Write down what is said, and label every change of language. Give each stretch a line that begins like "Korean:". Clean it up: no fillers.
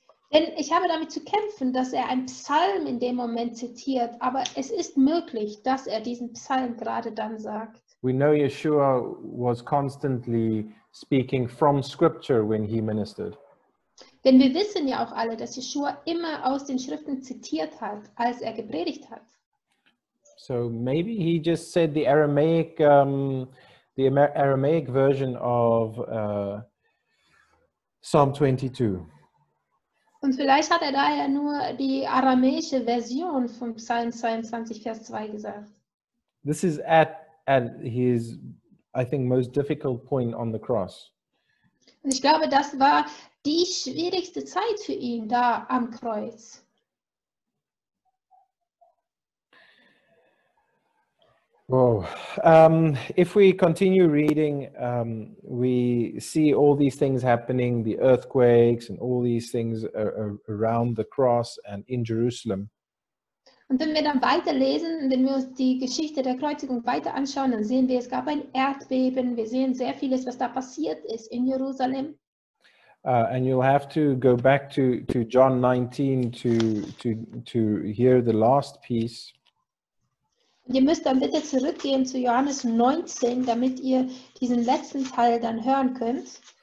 German: Denn ich habe damit zu kämpfen, dass ein Psalm in dem Moment zitiert, aber es ist möglich, dass diesen Psalm gerade dann sagt.
English: We know Yeshua was constantly speaking from scripture when he ministered.
German: Denn wir wissen ja auch alle, dass Yeshua immer aus den Schriften zitiert hat, als gepredigt hat.
English: So maybe he just said the Aramaic version of Psalm 22.
German: Und vielleicht hat daher nur die aramäische Version vom Psalm 22, Vers 2 gesagt.
English: This is at his, I think, most difficult point on the cross.
German: Und ich glaube, das war die schwierigste Zeit für ihn da am Kreuz. Whoa.
English: If we continue reading, we see all these things happening, the earthquakes and all these things around the cross and in Jerusalem.
German: Und wenn wir dann weiterlesen, wenn wir uns die Geschichte der Kreuzigung weiter anschauen, dann sehen wir, es gab ein Erdbeben. Wir sehen sehr vieles, was da passiert ist in Jerusalem.
English: And you'll have to go back to John 19 to hear the last piece.
German: Ihr müsst dann bitte zurückgehen zu Johannes 19, damit ihr diesen letzten Teil dann hören könnt.